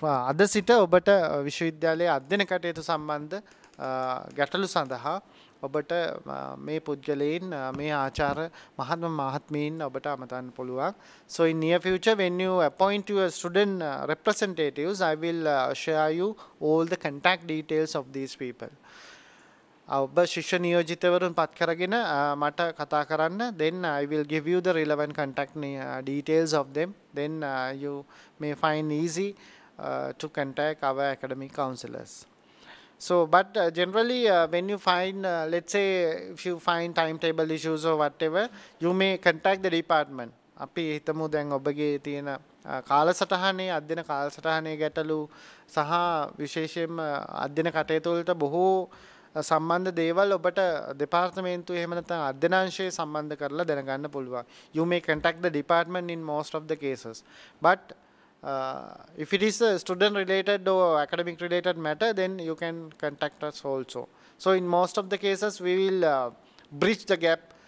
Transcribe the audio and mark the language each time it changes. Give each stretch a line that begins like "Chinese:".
Sinhala: අද සිට ඔබට විශ්වවිද්‍යාලයේ අධ්‍යන කටයුතු සම්බන්ධ ගැටලු සඳහා ඔබට මේ පුද්ගලයන් මේ ආචාර්ය මහත්ම මහත්මීන් ඔබට අමතන්න පුළුවන්.
English: So in near future, when you appoint your student representatives, I will share you all the contact details of these people.
Sinhala: ඔබ ශිෂ්‍ය නියෝජිතවරුන් පත් කරගෙන මට කතා කරන්න.
English: Then I will give you the relevant contact details of them. Then you may find easy to contact our academic counselors. So, but generally, when you find, let's say, if you find timetable issues or whatever, you may contact the department.
Sinhala: අපි හිතමු දැන් ඔබගේ තියෙන කාලසටහනේ අධ්‍යන කාලසටහනේ ගැටලු සහ විශේෂයෙන්ම අධ්‍යන කටයුතු වලට බොහෝ සම්බන්ධ දේවල් ඔබට දෙපාර්තමේන්තුවේ එහෙම නැත්නම් අධ්‍යනාංශයේ සම්බන්ධ කරලා දැනගන්න පුළුවන්.
English: You may contact the department in most of the cases. But if it is a student related or academic related matter, then you can contact us also. So in most of the cases, we will bridge the gap.